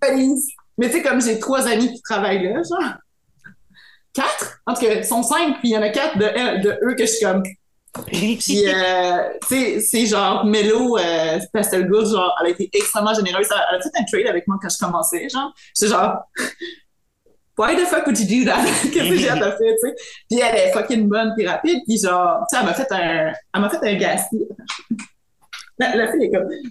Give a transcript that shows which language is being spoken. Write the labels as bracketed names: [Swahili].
[English] Buddies. [French] Mais tu sais, comme j'ai 3 amis qui travaillent là, genre. 4? En tout cas, ils sont 5, puis il y en a 4 de eux que je suis comme... Puis, c'est genre Mello, Pastel Gourde, genre, elle a été extrêmement généreuse. Elle a fait un trade avec moi quand je commençais, genre. J'étais genre, [English] why the fuck would you do that? [French] Qu'est-ce que j'ai à faire, tu sais? Puis elle est fucking bonne, puis rapide, puis genre, tu sais, elle m'a fait un gaspille. La fille est comme...